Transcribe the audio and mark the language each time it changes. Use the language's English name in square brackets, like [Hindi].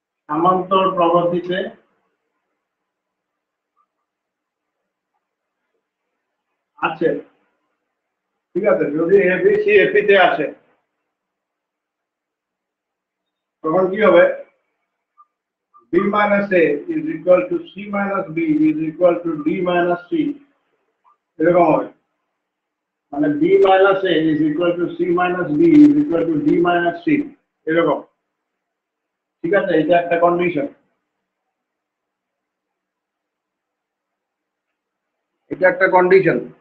[Bangla] সমান্তর প্রবৃত্তিতে আছে, ঠিক আছে, যদি A B C A P তে আছে তখন কি হবে? [English] B minus A is equal to C minus B is equal to D minus C. [Bangla] এরকম হবে, মানে [English] B minus A is equal to C minus B is equal to D minus C, [Bangla] এরকম, ঠিক আছে? এটা একটা কন্ডিশন, এটা একটা কন্ডিশন।